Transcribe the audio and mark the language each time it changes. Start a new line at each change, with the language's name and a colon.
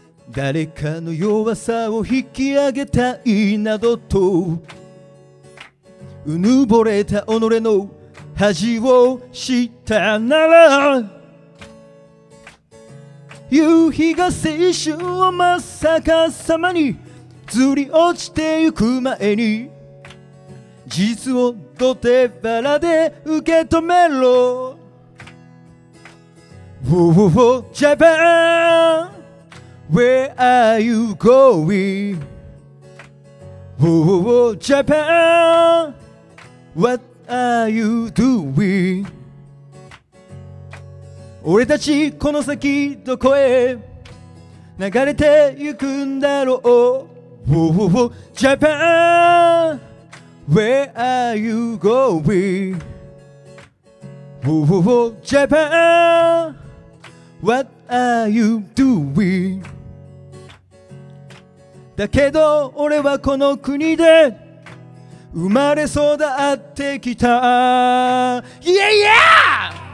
Japanese: 誰かの弱さを引き上げたいなどとうぬぼれた己の恥を知ったなら夕日が青春をまさかさまにずり落ちてゆく前に事実を土手腹で受け止めろ。
English: Ooh, Japan, where are you going? Ooh, Japan, what are you doing?
Japanese: 俺たちこの先どこへ流れて行くんだろう。
English: Ooh, Japan, where are you going? Ooh, Japan, what are you doing?
Japanese: だけど俺はこの国で生まれ育ってきた。 Yeah, yeah!